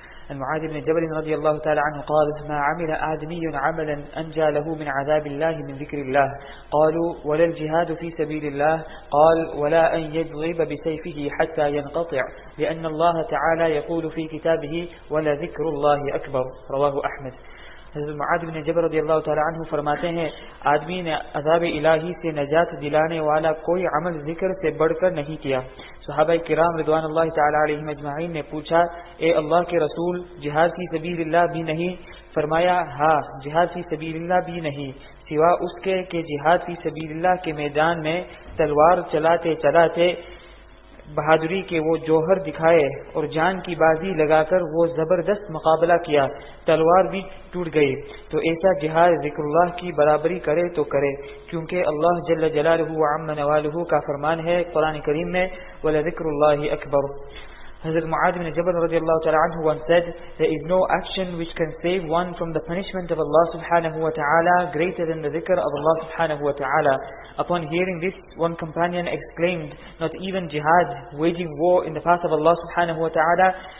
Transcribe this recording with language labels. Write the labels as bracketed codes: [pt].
[ar] عن معاذ بن جبل رضي الله تعالى عنه قال ما عمل آدمي عملا أنجى له من عذاب الله من ذكر الله قالوا ولا الجهاد في سبيل الله قال ولا أن يضرب بسيفه حتى ينقطع لأن الله تعالى يقول في كتابه ولا ذكر الله أكبر رواه أحمد. [ur] حضرت معاذ بن جبل رضی اللہ تعالی عنہ فرماتے ہیں آدمی نے عذاب الہی سے نجات دلانے والا کوئی عمل ذکر سے بڑھ کر نہیں کیا. صحابہ کرام رضوان اللہ تعالی علیہم اجمعین نے پوچھا اے اللہ کے رسول جہاد فی سبیل اللہ بھی نہیں؟ فرمایا ہاں جہاد فی سبیل اللہ بھی نہیں سوا اس کے کہ جہاد فی سبیل اللہ کے میدان میں تلوار چلاتے چلاتے بہادری کے وہ جوہر دکھائے اور جان کی بازی لگا کر وہ زبردست مقابلہ کیا تلوار بھی ٹوٹ گئی. تو ایسا جہاد ذکر اللہ کی برابری کرے تو کرے کیونکہ اللہ جل جلالہ وعم نوالہ کا فرمان ہے قرآن کریم میں [ar] ولذکر اللہ اکبر. [en] حضرت معاذ بن جبل رضی اللہ تعالی عنہ once said there is no action which can save one from the punishment of Allah subhanahu wa ta'ala greater than the dhikr of Allah subhanahu wa ta'ala. Upon hearing this, one companion exclaimed, not even jihad, waging war in the path of Allah subhanahu wa ta'ala.